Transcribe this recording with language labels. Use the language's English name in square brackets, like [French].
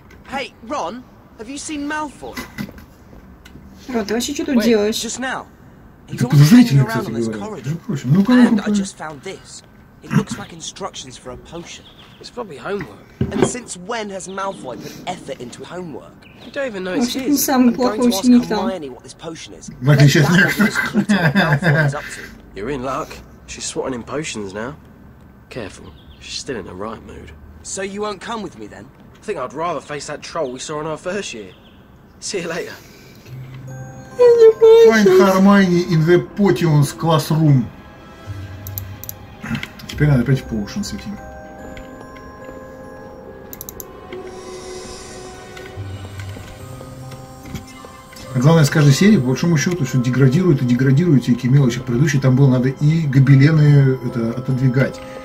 [English] Hey, Ron, have you seen Malfoy? [Russian] Рон, ты вообще что тут делаешь? [English] Just now. [Russian] Это подозрительно, кстати говоря. Ну-ка, ну-ка. [English] Instructions for a potion. It's probably homework. And since when has Malfoy put effort into homework? You don't even know it's his. I'm going to ask Hermione what this potion is. Let that be the clue to what Malfoy is up to. You're in luck. She's swatting in potions now. Careful. She's still in the right mood. So you won't come with me then? I think I'd rather face that troll we saw in our first year. See you later. Find Hermione in the Potions Classroom. [Russian] Теперь надо опять в Potions идти. А главное, с каждой серии, по большому счету, все деградирует и деградирует, всякие мелочи. Предыдущие там было надо и гобелены это, отодвигать.